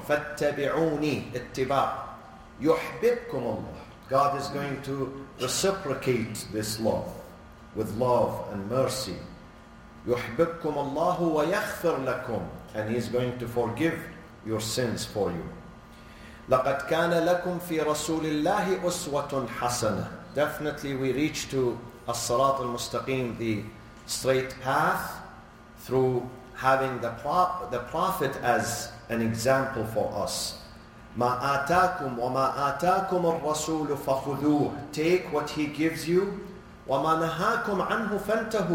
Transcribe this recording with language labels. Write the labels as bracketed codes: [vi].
[ar] فاتبعوني اتباع. يحببكم الله. [en] God is going to reciprocate this love with love and mercy. [ar] يحببكم الله ويغفر لكم. [en] And he is going to forgive your sins for you. [ar] لقد كان لكم في رسول الله أسوة حسنة. [en] Definitely we reach to [ar] الصراط المستقيم, [en] the straight path, through having the Prophet as an example for us. [ar] مَا آتَاكُمْ وَمَا آتَاكُمُ الرَّسُولُ فَخُذُوهُ. [en] Take what he gives you. [ar] وَمَا نَهَاكُمْ عَنْهُ فَانْتَهُ.